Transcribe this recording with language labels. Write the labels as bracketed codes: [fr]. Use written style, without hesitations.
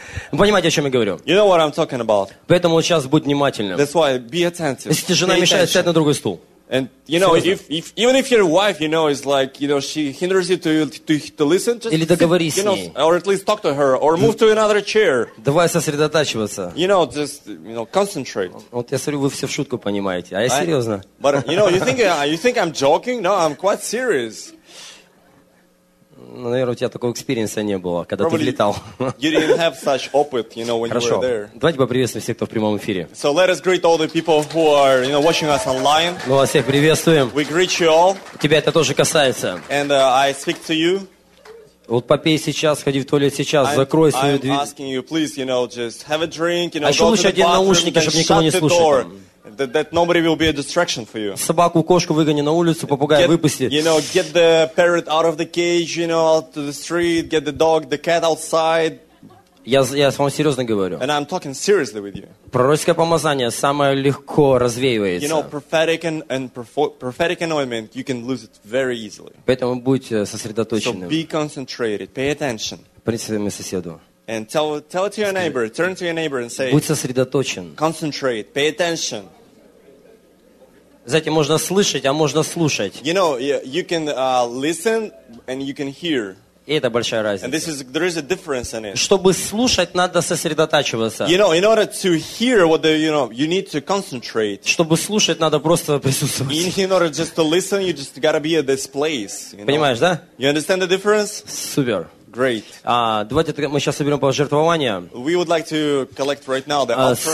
[ru] Понимаете, о чем я говорю? [en] You know what I'm talking about. [ru] Поэтому вот сейчас будь внимательным. [en] That's why be attentive. [ru] Если жена мешает, сядь на другой стул. [en] And you know, if even if your wife, you know, is like, you know, she hinders you to listen, just [ru] или договорись [en] sit, you know, [ru] с ней. [en] Or at least talk to her, or move to another chair. [ru] Давай сосредотачиваться. [en] You know, just, you know, concentrate. [ru] Вот я смотрю, вы все в шутку понимаете, а я серьезно. [en] But you know, you think I'm joking? No, I'm quite serious. [ru] Наверное, у тебя такого экспириенса не было, когда ты летал. [en] You didn't have such opit, you know, when [ru] хорошо. [en] You were there. [ru] Давайте поприветствуем всех, кто в прямом эфире. [en] So let us greet all the people who are, you know, watching us online. [ru] Мы вас всех приветствуем. [en] We greet you all. [ru] Тебя это тоже касается. [en] And I speak to you. [ru] Вот попей сейчас, ходи в туалет сейчас, закрой свою дверь. [en] I'm asking you, please, you know, just have a drink, you know, [ru] а еще лучше одень наушники, чтобы никого не слушать. [en] That nobody will be a distraction for you. [ru] Собаку, кошку выгони на улицу, попугая выпусти. [en] You know, get the parrot out of the cage, you know, out to the street, get the dog, the cat outside. [ru] Я с вами серьезно говорю. [en] And I'm talking seriously with you. [ru] Пророческое помазание самое легко развеивается. [en] You know, prophetic anointment, you can lose it very easily. [ru] Поэтому будьте сосредоточенным. [en] So be concentrated, pay attention. [ru] Представим соседу. [en] And tell it to your neighbor. Turn to your neighbor and say. [ru] Будь сосредоточен. [en] Concentrate. Pay attention. [ru] Знаете, можно слышать, а можно слушать. [en] You know, you can listen and you can hear. [ru] И это большая разница. [en] And there is a difference in it. [ru] Чтобы слушать, надо сосредотачиваться. [en] You know, in order to hear what you need to concentrate. [ru] Чтобы слушать, надо просто присутствовать. [en] In order just to listen, you just gotta be at this place. You [ru] понимаешь, [en] know? [ru] Да? [en] You understand the difference? [ru] Супер. [en] Great. [ru] Давайте мы сейчас соберем пожертвования. [en] We would like to collect right now the offering.